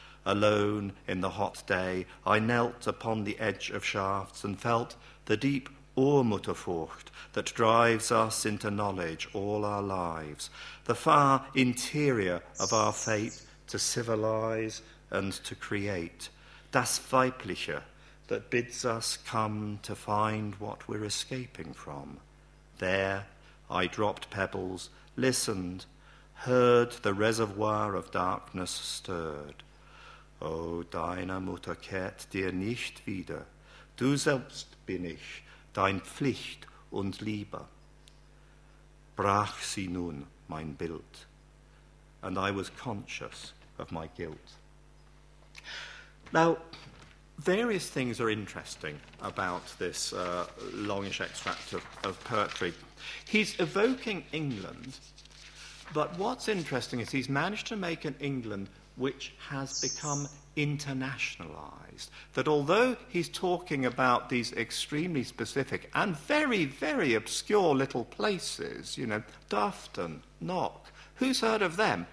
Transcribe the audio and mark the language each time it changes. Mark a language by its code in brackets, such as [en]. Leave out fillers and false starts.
[en] Alone in the hot day, I knelt upon the edge of shafts and felt the deep Urmutterfurcht that drives us into knowledge all our lives, the far interior of our fate to civilize and to create, das Weibliche that bids us come to find what we're escaping from. There I dropped pebbles, listened, heard the reservoir of darkness stirred. [de] O deine Mutter kehrt dir nicht wieder, du selbst bin ich, dein Pflicht und Liebe, brach sie nun mein Bild, [en] and I was conscious of my guilt. Now, various things are interesting about this longish extract of poetry. He's evoking England, but what's interesting is he's managed to make an England which has become internationalized, that although he's talking about these extremely specific and very, very obscure little places, you know, Dufton, Knock, who's heard of them?